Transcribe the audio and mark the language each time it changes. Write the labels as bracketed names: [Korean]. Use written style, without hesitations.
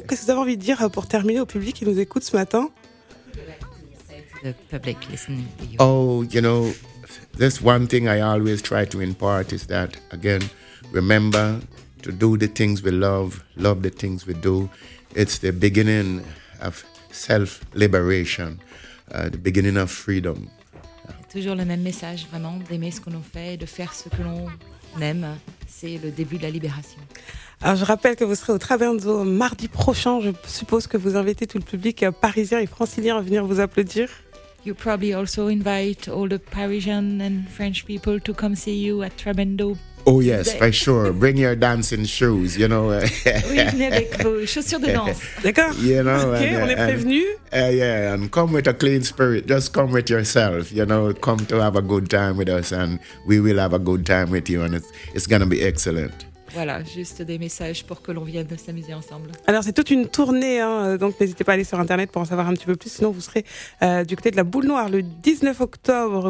[French] Qu'est-ce que vous avez envie de dire pour terminer au public qui nous écoute ce matin? [English] The public listening to you. Oh, you know, this one thing I always try to impart is that, again, remember to do the things we love, love the things we do. It's the beginning of self-liberation, the beginning of freedom. [French] Toujours le même message, vraiment, d'aimer ce que l'on fait, de faire ce que l'on aime, c'est le début de la libération. Alors je rappelle que vous serez au Traverso mardi prochain, je suppose que vous invitez tout le public parisien et francilien à venir vous applaudir. [English] You probably also invite all the Parisian and French people to come see you at Trabendo. Oh yes, for sure. Bring your dancing shoes, you know. [French] Oui, venez avec vos chaussures de danse. D'accord. [English] You know, okay, and, [French] on est prévenus. [English] And, yeah, and come with a clean spirit. Just come with yourself, you know. Come to have a good time with us and we will have a good time with you and it's going to be excellent. [French] Voilà, juste des messages pour que l'on vienne s'amuser ensemble. Alors, c'est toute une tournée, hein, donc n'hésitez pas à aller sur Internet pour en savoir un petit peu plus. Sinon, vous serez du côté de la Boule Noire le 19 octobre.